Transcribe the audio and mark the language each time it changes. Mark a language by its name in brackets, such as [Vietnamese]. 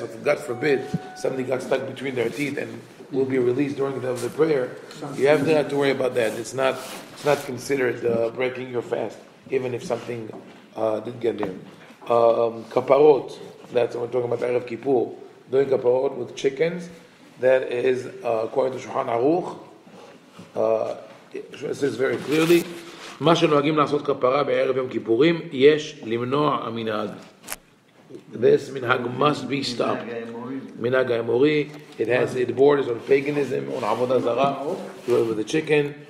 [English] So if, God forbid, something got stuck between their teeth and will be released during the prayer, you have not to worry about that. It's not considered breaking your fast, even if something did get there. Kaparot, that's what we're talking about, Erev Kippur, doing kaparot with chickens, that is according to Shulchan Aruch. [Hebrew] It says very clearly, מה שנוהגים לעשות כפרה בערב יום כיפורים, יש למנוע המנהג. [English] This minhag must be stopped. Minhag ha'emori, it borders on paganism, on avodah zara, with the chicken.